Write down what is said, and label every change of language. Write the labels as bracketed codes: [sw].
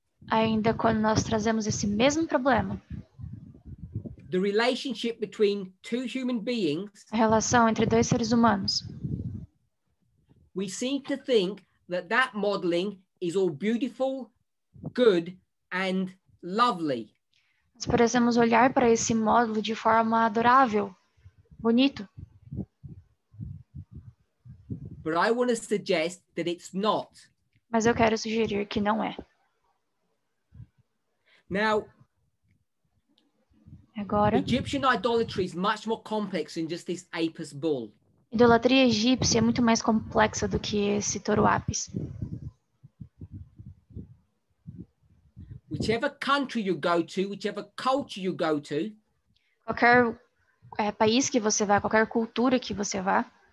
[pt] ainda quando nós trazemos esse mesmo problema, [en] the relationship between two human beings, [pt] a relação entre dois seres humanos, [en] we seem to think that that modeling is all beautiful, good and lovely. [pt] Nós parecemos olhar para esse modelo de forma adorável, bonito. [en] But I want to suggest that it's not. [pt] Mas eu quero sugerir que não é. [en] Now, [pt] agora, [en] Egyptian idolatry is much more complex than just this Apis bull. [pt] Idolatria egípcia é muito mais complexa do que esse touro Apis. [en] Whichever country you go to, whichever culture you go to, [pt] qualquer país que você vá, qualquer cultura que você vá,